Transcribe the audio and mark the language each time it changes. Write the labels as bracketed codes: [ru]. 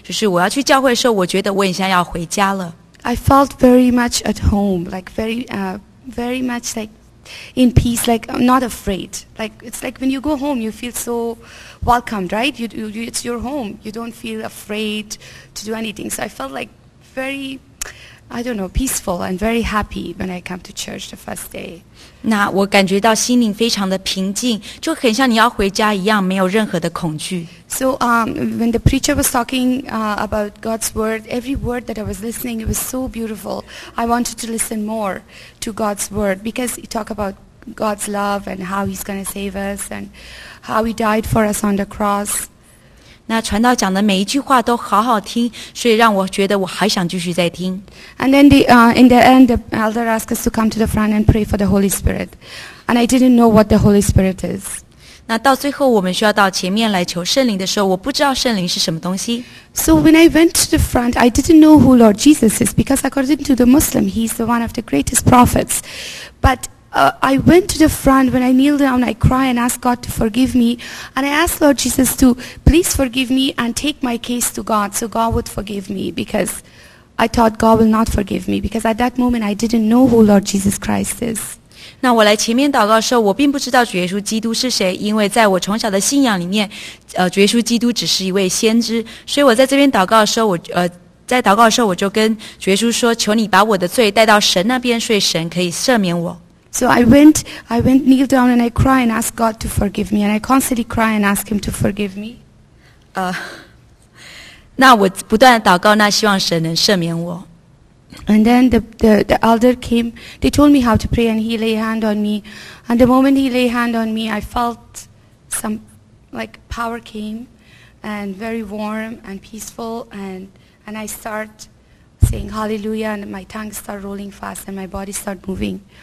[zh] 那我突然那一次去教会，我有一个很特别的体验，就是我要去教会的时候，我觉得我很像要回家了。 [en] I felt very much at home, like very, very much like in peace, like I'm not afraid. Like it's like when you go home, you feel so welcomed, right? You it's your home. You don't feel afraid to do anything. So I felt like very, I don't know, peaceful and very happy when I come to church the first day. [zh] 那我感觉到心灵非常的平静，就很像你要回家一样，没有任何的恐惧。 [en] So when the preacher was talking about God's word, every word that I was listening, it was so beautiful. I wanted to listen more to God's word because he talked about God's love and how he's going to save us and how he died for us on the cross. [zh] 那传道讲的每一句话都好好听，所以让我觉得我还想继续再听。 [en] And then in the end, the elder asked us to come to the front and pray for the Holy Spirit. And I didn't know what the Holy Spirit is. [zh] 那到最后我们需要到前面来求圣灵的时候，我不知道圣灵是什么东西。 [en] So when I went to the front, I didn't know who Lord Jesus is because according to the Muslim, he's the one of the greatest prophets. But I went to the front when I kneel down, I cry and ask God to forgive me. And I asked Lord Jesus to please forgive me and take my case to God so God would forgive me because I thought God will not forgive me because at that moment I didn't know who Lord Jesus Christ is. [zh] 那我来前面祷告的时候，我并不知道主耶稣基督是谁，因为在我从小的信仰里面，主耶稣基督只是一位先知，所以我在这边祷告的时候，在祷告的时候我就跟主耶稣说，求你把我的罪带到神那边，所以神可以赦免我。 [en] So I went kneel down and I cry and ask God to forgive me and I constantly cry and ask him to forgive me. [zh] 那我不断祷告，那希望神能赦免我。 [en] And then the elder came, they told me how to pray and he laid hand on me. And the moment he laid hand on me, I felt some like power came and very warm and peaceful and I start saying hallelujah and my tongue start rolling fast and my body start moving.